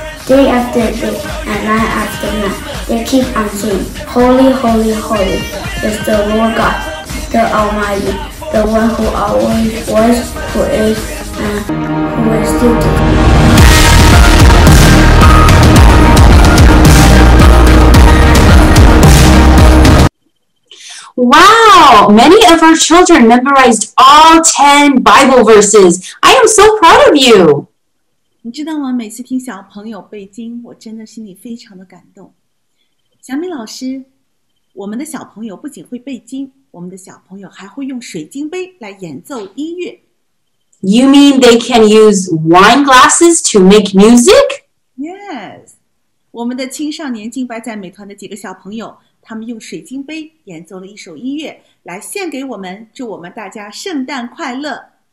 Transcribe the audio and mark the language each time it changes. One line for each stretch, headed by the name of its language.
English: Day after day and night after night, they keep on saying, Holy, holy, holy is the Lord God, the Almighty, the one who always was, who is, and who is still to come. Wow! Many of our children memorized all 10 Bible verses. I am so proud of you!
Chinese: 你知道吗？每次听小朋友背经，我真的心里非常的感动。小米老师，我们的小朋友不仅会背经，我们的小朋友还会用水晶杯来演奏音乐。
English: You mean they can use wine glasses to make music? Yes!
Chinese: 我们的青少年敬拜赞美团的几个小朋友他们用水晶杯演奏了一首音乐，来献给我们，祝我们大家圣诞快乐。